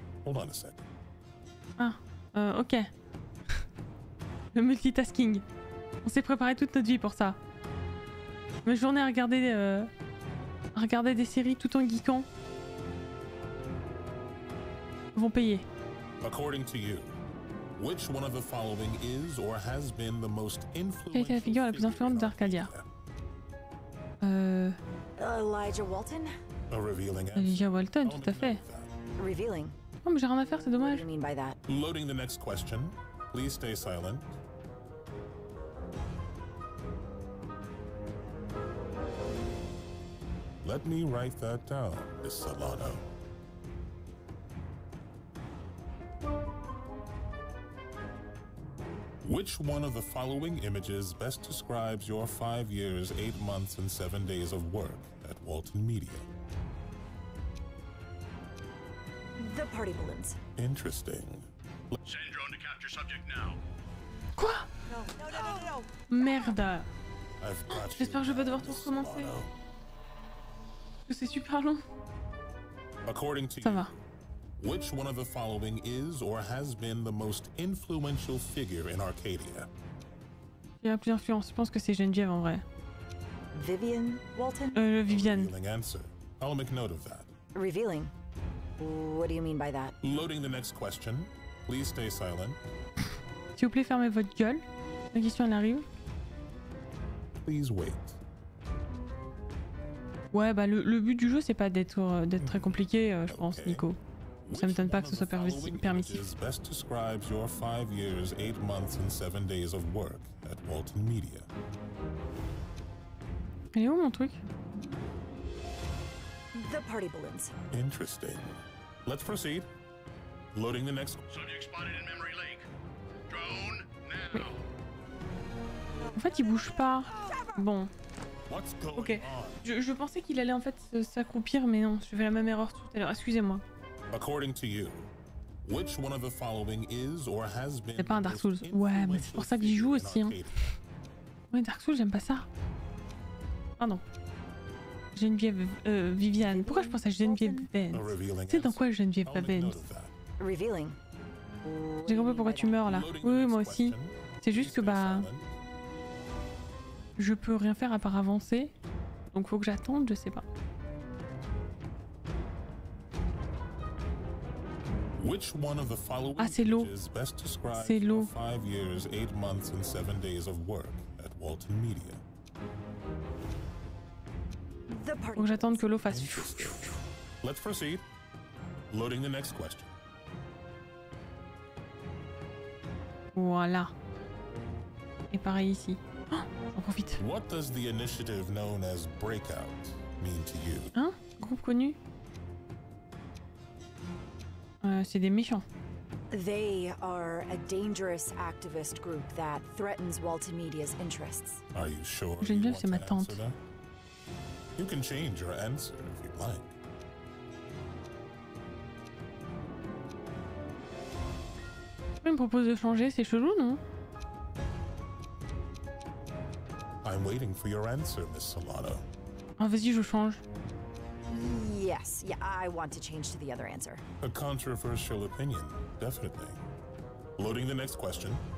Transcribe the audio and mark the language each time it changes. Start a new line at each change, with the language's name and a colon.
English: Hold on a sec.
French: Ah, ok. Le multitasking. On s'est préparé toute notre vie pour ça. Ma journée à regarder des séries tout en geekant vont payer.
English: According to you, which one of the following is or has been the most influential?
French: Quelle est la figure la plus influente d'Arcadia?
English: Elijah Walton. A revealing answer.
French: Elijah Walton, tout à fait.
English: Revealing.
French: Oh, mais j'ai rien à faire, c'est dommage.
English: What do you mean by that? Loading the next question. Please stay silent. Let me write that down, Miss Solano. Which one of the following images best describes your 5 years, 8 months, and 7 days of work at Walton Media? The party balloons. Interesting. Send drone to capture subject now.
French: Quoi?
English: No.
French: Merde.
English: I've got you.
French: J'espère que je vais devoir tout recommencer. C'est super long.
English: According to
French: ça va.
English: Which one of the following is or has been the most influential figure in Arcadia?
French: Il y a plus d'influence. Je pense que c'est Geneviève en vrai.
English: Vivian Walton. Vivian. Revealing answer. I'll make note of that. Revealing. What do you mean by that? Loading the next question. Please stay silent.
French: S'il vous plaît, fermez votre gueule. La question elle arrive.
English: Please wait.
French: Ouais, bah le but du jeu, c'est pas d'être très compliqué, je pense, Nico. Ça m'étonne pas que ce soit permissif.
English: Best describes your 5 years, 8 months, and 7 days of work at Walton Media.
French: Il est où mon truc?
English: The party balloons. Interesting. Let's proceed. Loading the next... Subject spotted in memory lake. Drone, now.
French: En fait, il bouge pas. Bon.
English: What's going
French: ok, je pensais qu'il allait en fait s'accroupir, mais non, je fais la même erreur tout à l'heure, excusez-moi.
English: According to you, which one of the following is or has been...
French: C'est pas un Dark Souls. Ouais, mais c'est pour ça que j'y joue aussi, hein. Ouais, Dark Souls, j'aime pas ça. Pardon. Geneviève... Vivian. Pourquoi je pense à Geneviève Ben? Tu sais dans quoi Geneviève Ben?
English: Revealing.
French: J'ai compris pourquoi tu meurs, là. Oui, moi aussi. C'est juste que, bah... Je peux rien faire à part avancer, donc faut que j'attende, je sais pas.
English: Which one of the following
French: ah, c'est l'eau.
English: Best describes your 5 years, 8 months, and 7 days of work at Walton Media.
French: Faut que j'attende que l'eau fasse.
English: Let's proceed. Loading the next question.
French: Voilà. Et pareil ici. Oh, on profite.
English: What does the initiative known as Breakout mean to you?
French: Hein? Groupe connu? C'est des méchants.
English: They are a dangerous activist group that threatens Walton Media's interests. Are you sure?
French: Je ne sais pas, c'est ma tante.
English: You can change your answer if you'd like.
French: Tu me proposes de changer, c'est chelou, non?
English: I'm waiting for your answer, Miss Solano.
French: Ah, vas-y, je change.
English: Yes, yeah, I want to change to the other answer. A controversial opinion, definitely. Loading the next question.